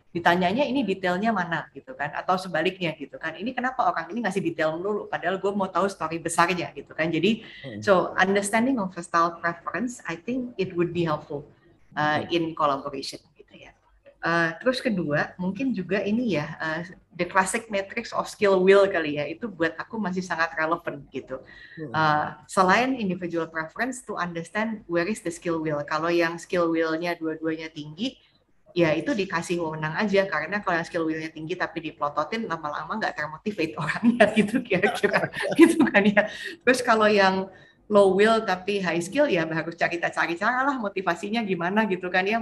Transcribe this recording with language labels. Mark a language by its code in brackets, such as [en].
[id] Ditanyanya ini detailnya mana gitu kan, atau sebaliknya gitu kan. Ini kenapa orang ini ngasih detail dulu, padahal gue mau tahu story besarnya gitu kan. Jadi, [en] so understanding of style preference, I think it would be helpful in collaboration. [id] Terus kedua, mungkin juga ini ya, [en] the classic matrix of skill wheel [id] kali ya, itu buat aku masih sangat relevant gitu. Selain [en] individual preference, to understand where is the skill wheel. [id] Kalau yang skill wheel-nya dua-duanya tinggi, ya itu dikasih wewenang aja, karena kalau yang skill wheel-nya tinggi tapi diplototin, lama-lama nggak termotivate orangnya gitu kira-kira. Gitu kan ya. Terus kalau yang low wheel tapi high skill, ya harus cari-cari cara lah motivasinya gimana gitu kan ya.